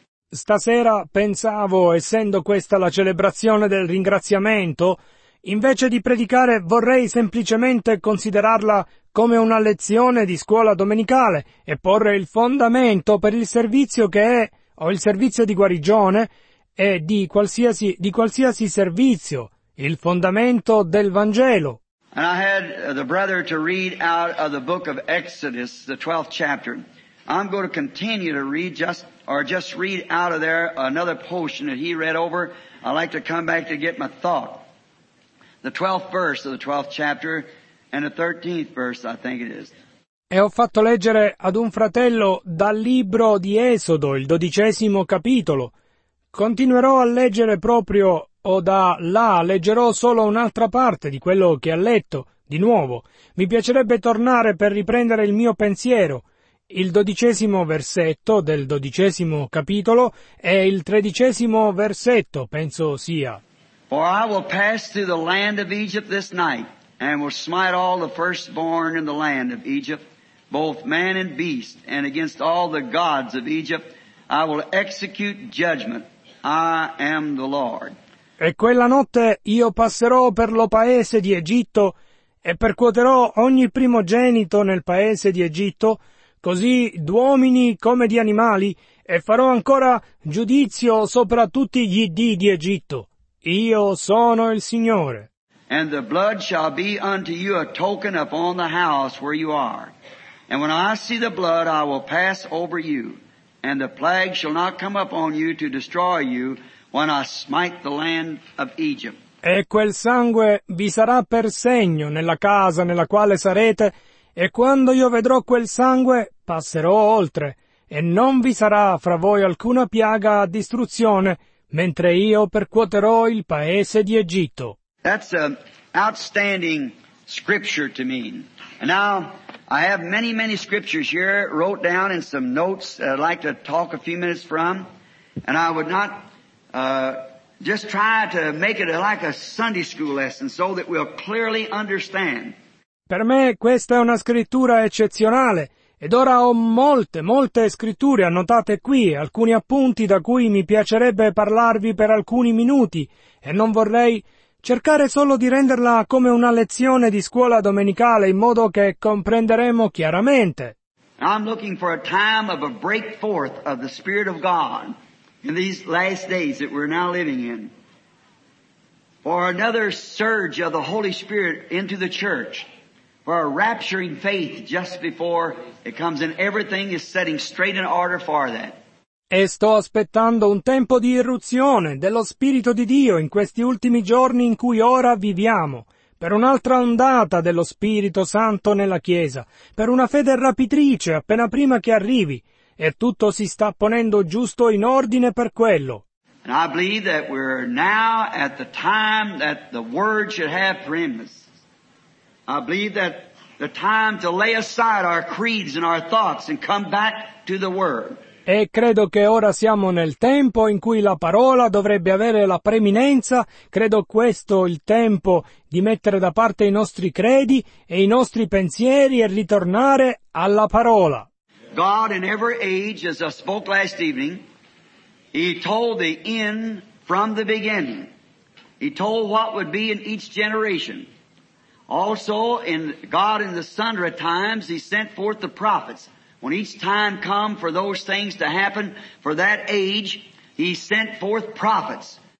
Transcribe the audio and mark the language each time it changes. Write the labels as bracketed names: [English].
[Italian] Stasera pensavo, essendo questa la celebrazione del ringraziamento, invece di predicare vorrei semplicemente considerarla come una lezione di scuola domenicale e porre il fondamento per il servizio che è, o il servizio di guarigione, e di qualsiasi servizio, il fondamento del Vangelo. [English] And I had the brother to read out of the book of Exodus, the 12th chapter. I'm going to continue to read just read out of there another portion that he read over. I'd like to come back to get my thought. The 12th verse of the 12th chapter and the 13th verse, I think it is. [Italian] E ho fatto leggere ad un fratello dal libro di Esodo, il 12° capitolo. Continuerò a leggere proprio, o da là leggerò solo un'altra parte di quello che ha letto, di nuovo. Mi piacerebbe tornare per riprendere il mio pensiero. Il 12° versetto del 12° capitolo è il 13° versetto, penso sia. [English] For I will pass through the land of Egypt this night, and will smite all the firstborn in the land of Egypt, both man and beast, and against all the gods of Egypt, I will execute judgment. I am the Lord. [Italian] E quella notte io passerò per lo paese di Egitto e percuoterò ogni primogenito nel paese di Egitto, così d'uomini come di animali, e farò ancora giudizio sopra tutti gli dii di Egitto. Io sono il Signore. [English] And the blood shall be unto you a token upon the house where you are. And when I see the blood, I will pass over you. And the plague shall not come upon you to destroy you when I smite the land of Egypt. [Italian] E quel sangue vi sarà per segno nella casa nella quale sarete, e quando io vedrò quel sangue, passerò oltre, e non vi sarà fra voi alcuna piaga a distruzione, mentre io percuoterò il paese di Egitto. [English] That's an outstanding scripture to mean. And now, I have many, many scriptures here wrote down in some notes that I'd like to talk a few minutes from. And I would not just try to make it like a Sunday school lesson so that we'll clearly understand. [Italian] Per me questa è una scrittura eccezionale. Ed ora ho molte, molte scritture annotate qui, alcuni appunti da cui mi piacerebbe parlarvi per alcuni minuti, e non vorrei cercare solo di renderla come una lezione di scuola domenicale in modo che comprenderemo chiaramente. [English] I'm looking for a time of a break forth of the Spirit of God in these last days that we're now living in, for another surge of the Holy Spirit into the church. For a rapturing faith just before it comes and everything is setting straight in order for that. [Italian] E sto aspettando un tempo di irruzione dello Spirito di Dio in questi ultimi giorni in cui ora viviamo, per un'altra ondata dello Spirito Santo nella Chiesa, per una fede rapitrice appena prima che arrivi, e tutto si sta ponendo giusto in ordine per quello. [English] And I believe that we're now at the time that the Word should have preeminence. I believe that the time to lay aside our creeds and our thoughts and come back to the Word. [Italian] E credo che ora siamo nel tempo in cui la parola dovrebbe avere la preminenza. Credo questo il tempo di mettere da parte i nostri credi e i nostri pensieri e ritornare alla parola. [English] God in every age, as I spoke last evening, He told the end from the beginning. He told what would be in each generation. Also, in God in the sundry times, He sent forth the prophets. When each time come for those things to happen for that age, He sent forth prophets.